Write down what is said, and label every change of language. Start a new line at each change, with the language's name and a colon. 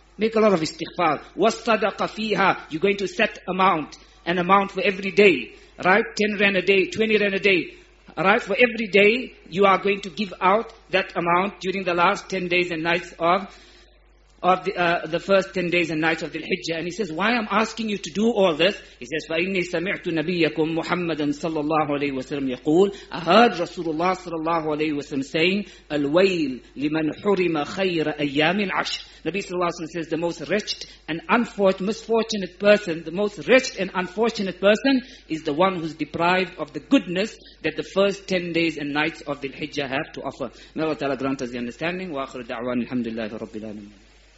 English: Make a lot of istighfar.
Arabic: Was sadaqa fiha.
English: You're going to set an amount for every day, right? 10 rand a day, 20 rand a day, right? For every day, you are going to give out that amount during the last 10 days and nights of the first 10 days and nights of Dhul Hijjah. And he says, why am I asking you to do all this? He says,
Arabic: فَإِنِّي سَمِعْتُ نَبِيَّكُمْ مُحَمَّدًا صَلَّى اللَّهُ عَلَيْهِ وَسَلَّمْ يَقُولُ.
English: I heard Rasulullah sallallahu alayhi wa sallam saying,
Arabic: الْوَيْلِ لِمَنْ حُرِمَ خَيْرَ أَيَّامِ الْعَشْرِ.
English: Nabi sallallahu alayhi wa sallam says, the most wretched and misfortunate person, the most wretched and unfortunate person is the one who's deprived of the goodness that the first 10 days and nights of Dhul Hijjah have to offer. May Allah ta'ala grant us the understanding.
Arabic: وَآخِرُ دَعْوَانِ الْحَمْدُ لِلَّهِ رَبِّ الْعَالَمِينَ.